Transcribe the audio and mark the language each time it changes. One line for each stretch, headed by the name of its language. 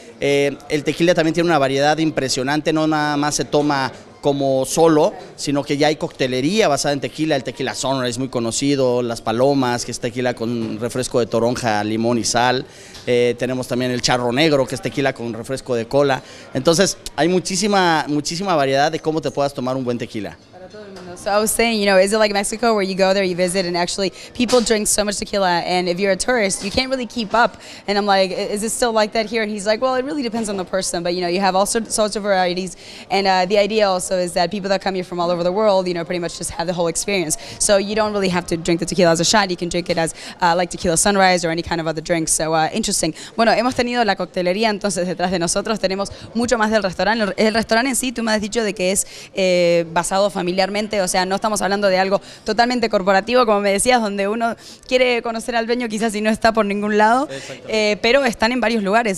Spanish: El tequila también tiene una variedad impresionante, no nada más se toma como solo, sino que ya hay coctelería basada en tequila, el tequila Sunrise es muy conocido, Las Palomas, que es tequila con refresco de toronja, limón y sal, tenemos también el Charro Negro, que es tequila con refresco de cola, entonces hay muchísima variedad de cómo te puedas tomar un buen tequila. Para
English: So I was saying, you know, is it like Mexico where you go there, you visit, and actually people drink so much tequila, and if you're a tourist, you can't really keep up. And I'm like, is it still like that here? And he's like, well, it really depends on the person, but you know, you have all sorts of varieties. And the idea also is that people that come here from all over the world, you know, pretty much just have the whole experience. So you don't really have to drink the tequila as a shot. You can drink it as like tequila sunrise or any kind of other drink. So interesting.
Spanish: Bueno, hemos tenido la coctelería, entonces detrás de nosotros tenemos mucho más del restaurante. El restaurante en sí, tú me has dicho de que es basado familiarmente, o sea, no estamos hablando de algo totalmente corporativo, como me decías, donde uno quiere conocer al dueño quizás y no está por ningún lado, pero están en varios lugares.